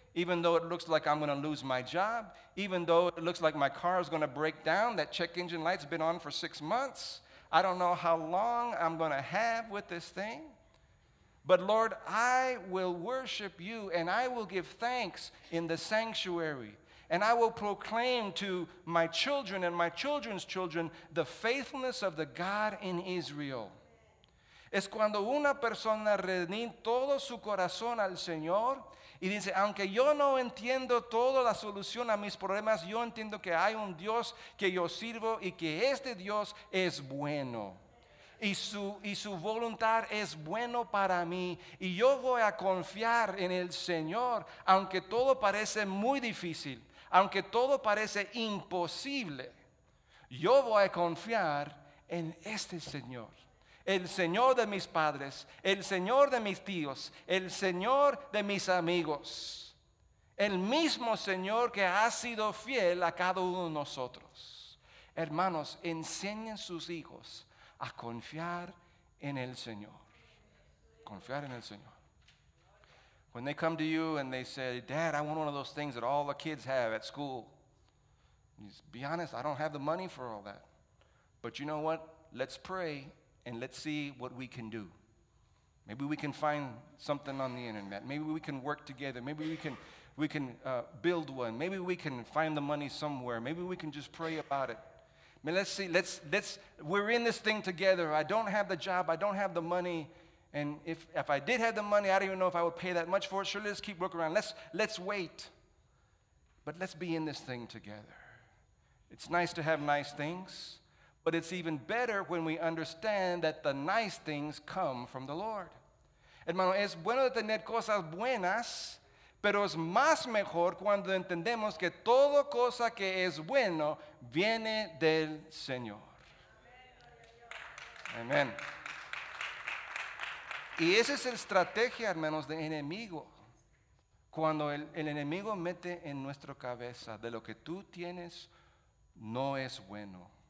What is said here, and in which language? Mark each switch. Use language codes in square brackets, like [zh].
[en] Even though it looks like I'm going to lose my job, even though it looks like my car is going to break down, that check engine light's been on for 6 months, I don't know how long I'm going to have with this thing, but Lord, I will worship you, and I will give thanks in the sanctuary, and I will proclaim to my children and my children's children the faithfulness of the God in Israel. [es] Es cuando una persona rinde todo su corazón al Señor, y dice, aunque yo no entiendo toda la solución a mis problemas, yo entiendo que hay un Dios que yo sirvo y que este Dios es bueno. Y su voluntad es bueno para mí. Y yo voy a confiar en el Señor, aunque todo parece muy difícil, aunque todo parece imposible. Yo voy a confiar en este Señor. El Señor de mis padres, el Señor de mis tíos, el Señor de mis amigos, el mismo Señor que ha sido fiel a cada uno de nosotros. Hermanos, enseñen sus hijos a confiar en el Señor. Confiar en el Señor. [en] When they come to you and they say, Dad, I want one of those things that all the kids have at school. You just be honest, I don't have the money for all that. But you know what? Let's pray. And let's see what we can do. Maybe we can find something on the internet. Maybe we can work together. Maybe we can build one. Maybe we can find the money somewhere. Maybe we can just pray about it. I mean, let's see, we're in this thing together. I don't have the job. I don't have the money. And if I did have the money, I don't even know if I would pay that much for it. Surely let's keep working around. Let's wait. But let's be in this thing together. It's nice to have nice things, but it's even better when we understand that the nice things come from the Lord. [es] Hermano, es bueno tener cosas buenas, pero es más mejor cuando entendemos que todo cosa que es bueno viene del Señor. Amen. Y esa es la estrategia, hermanos, del enemigo. Cuando el enemigo mete en nuestra cabeza de lo que tú tienes, no es bueno.